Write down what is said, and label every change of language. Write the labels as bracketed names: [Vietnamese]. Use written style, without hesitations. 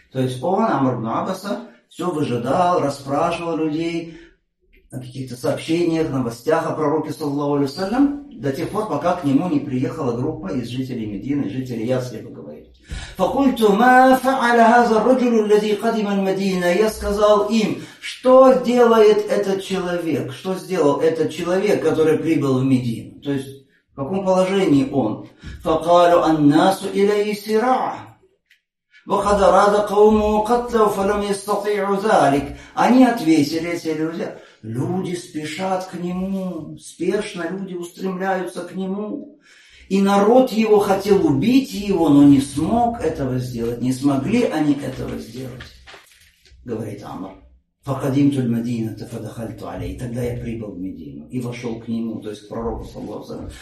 [Russian] То есть он, Амар ибн Аббас, все выжидал, расспрашивал людей о каких-то сообщениях, новостях о пророке, саллаллаху алейхи ва саллям, до тех пор, пока к нему не приехала группа из жителей Медины, жителей Ясриба, говорит. [Arabic] فقلت ما فعل هذا الرجل الذي قدم المدينة؟ [Russian] Я сказал им, что делает этот человек, что сделал этот человек, который прибыл в Медину. То есть в каком положении он? [Arabic] فقالوا الناس إليه سراع. وقد أراد قومه قتله فلم يستطيع ذلك. [Russian] Они ответили, эти люди, люди спешат к нему, спешно люди устремляются к нему. И народ его хотел убить его, но не смог этого сделать. Не смогли они этого сделать, говорит Амар. [Arabic] فَقَدِمْتُ الْمَدِينَةَ فَدَخَلْتُ عَلَيْهِ [Russian] Тогда я прибыл в Медину и вошел к нему, то есть к пророку, саллаллаху алейхи ва саллям.